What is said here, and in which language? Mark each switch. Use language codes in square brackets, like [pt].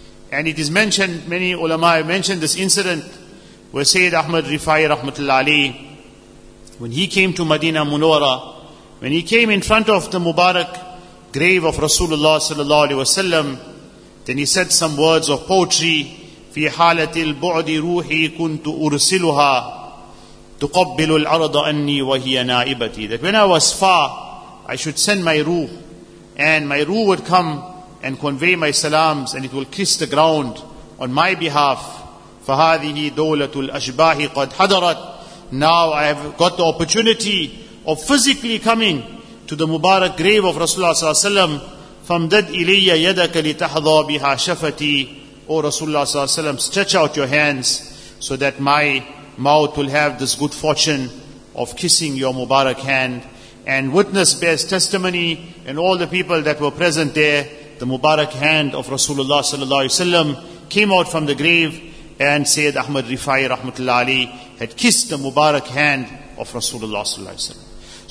[en] And it is mentioned, many ulama have mentioned this incident, where Sayyid Ahmad Rifai rahmatullah alayhi, when he came to Madina Munawwara, when he came in front of the Mubarak grave of Rasulullah sallallahu alayhi wasallam, then he said some words of poetry. [ar] في حالة البعد روحي كنت أرسلها تقبل الأرض أني وهي نائبتي. [en] That when I was far, I should send my ruh, and my ruh would come and convey my salams, and it will kiss the ground on my behalf. [ar] فهذه دولة الأشباح قد حضرت. [en] Now I have got the opportunity of physically coming to the Mubarak grave of Rasulullah صلى الله عليه وسلم. [ar] فامدد إلي يدك لتحظى بها شفتي. [en] O Rasulullah sallallahu alaihi wasallam, stretch out your hands so that my mouth will have this good fortune of kissing your Mubarak hand. And witness bears testimony, and all the people that were present there, the Mubarak hand of Rasulullah sallallahu alaihi wasallam came out from the grave, and Sayyid Ahmad Rifai rahmatullah alayhi had kissed the Mubarak hand of Rasulullah sallallahu alaihi wasallam.